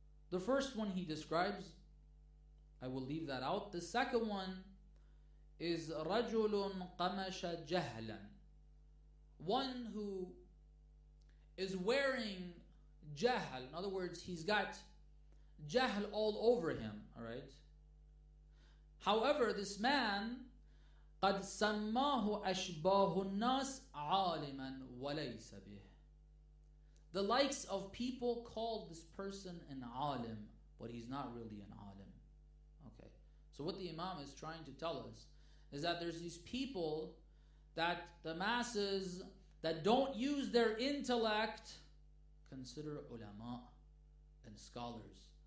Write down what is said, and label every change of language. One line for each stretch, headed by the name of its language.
English: The first one he describes, I will leave that out. The second one is
Arabic: رَجُلٌ قَمَشَ جَهْلًا,
English: one who is wearing jahl. In other words, he's got jahl all over him. All right. However, this man,
Arabic: قَدْ سَمَّاهُ أَشْبَاهُ النَّاسِ عَالِمًا وَلَيْسَ بِهِ,
English: The likes of people call this person an alim, but he's not really an alim. Okay. So what the Imam is trying to tell us is that there's these people that the masses that don't use their intellect consider ulama and scholars.